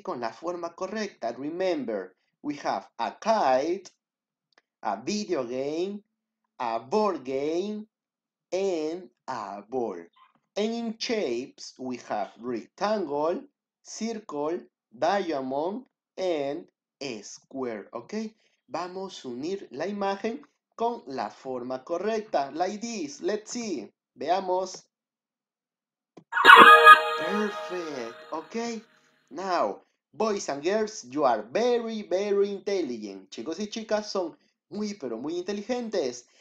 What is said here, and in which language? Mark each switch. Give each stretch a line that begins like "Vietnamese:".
Spanish: Con la forma correcta.
English: Remember, we have a kite, a video game, a board game, and a ball. And in shapes, we have rectangle, circle, diamond, and square, okay?
Spanish: Vamos a unir la imagen con la forma correcta.
English: Like this, let's see.
Spanish: Veamos.
English: Perfect, okay? Now, boys and girls, you are very, very intelligent.
Spanish: Chicos y chicas son muy, pero muy inteligentes.